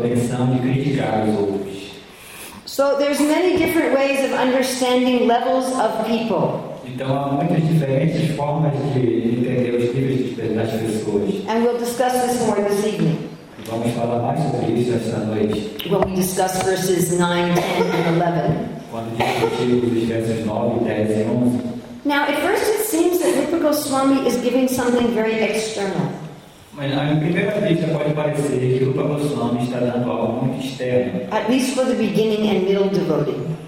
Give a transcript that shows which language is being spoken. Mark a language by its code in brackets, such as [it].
[en] So there's many different ways of understanding levels of people. [pt] Então há muitas diferentes formas de entender os níveis das pessoas. [en] And we'll discuss this more this evening. [pt] Vamos falar mais sobre isso esta noite. [en] When we discuss verses 9, 10, and 11. [pt] Quando discutimos os versos 9, 10 e 11. [en] Now, at first it seems that Rupa Goswami is giving something very external. [pt] Mas à primeira vista pode parecer que Rupa Goswami está dando algo muito externo. [en] At least for the beginning and middle devotee.